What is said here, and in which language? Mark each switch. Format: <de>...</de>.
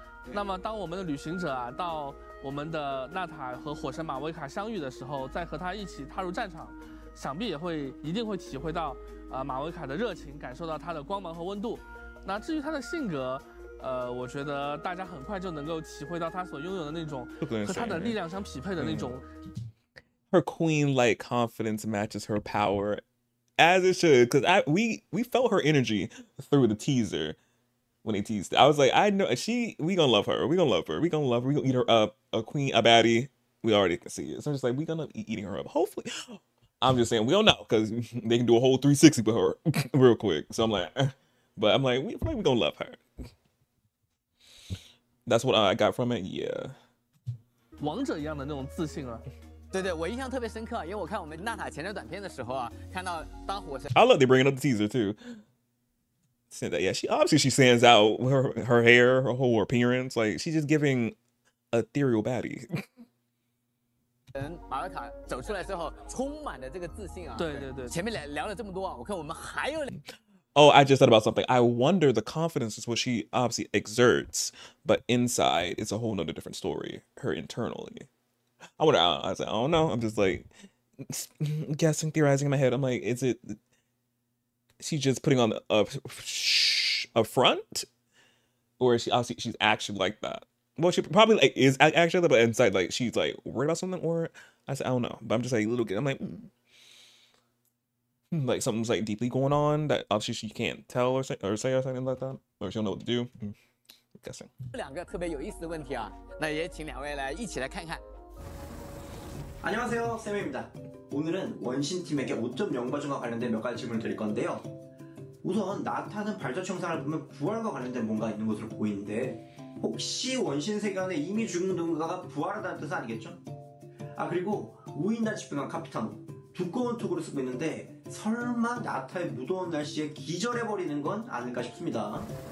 <zh>那么当我们的旅行者啊，到我们的纳塔和火神马威卡相遇的时候，再和他一起踏入战场，想必也会一定会体会到马维卡的热情，感受到他的光芒和温度。那至于他的性格，我觉得大家很快就能够体会到他所拥有的那种和他的力量相匹配的那种。</zh> <en>Her queen-like confidence matches her power, as it should, because we felt her energy through the teaser when they teased it. I was like, I know she, we gonna love her, we gonna love her, we gonna love her, we gonna eat her up, a queen, a baddie. We already can see it. So I'm just like, we gonna be eating her up, hopefully. I'm just saying, we don't know, because they can do a whole 360 with her real quick. So I'm like, but I'm like, we're gonna love her. That's what I got from it. Yeah.</en> <zh>王者一样的那种自信啊。对对，我印象特别深刻，因为我看我们娜塔前段短片的时候啊，看到当火神。</zh> <en>I love they bringing up the teaser too. Said that, yeah, she obviously she stands out with her hair, her whole appearance. Like she's just giving ethereal baddie.</en> <zh>嗯，马尔卡走出来之后，充满了这个自信啊。对对对。前面聊了这么多啊，我看我们还有。</zh> <en>Oh, I just thought about something. I wonder the confidence is what she obviously exerts, but inside it's a whole nother different story. Her internally. I wonder, I was like, oh no, I'm just like guessing, theorizing in my head. I'm like, is it, she's just putting on a front? Or is she obviously, she's actually like that? Well, she probably like, is actually like that, but inside like she's like worried about something, or I said, I don't know. But I'm just like a little kid. I'm like, like something's like deeply going on that obviously she can't tell or say or something like that, or she don't know what to do. I'm guessing.</en> <zh>两个特别有意思的问题啊，那也请两位来一起来看看。</zh> <ko>안녕하세요쌤입니다오늘은원신팀에게 5.0 버전과관련된몇가지질문을드릴건데요우선나타는발자취영상을보면부활과관련된뭔가있는것으로보이는데혹시원신세계안에이미죽은누군가가부활하다는뜻은아니겠죠아그리고우인다집중한카피타노두꺼운톡으로쓰고있는데설마나타의무더운날씨에기절해버리는건아닐까싶습니다</ko>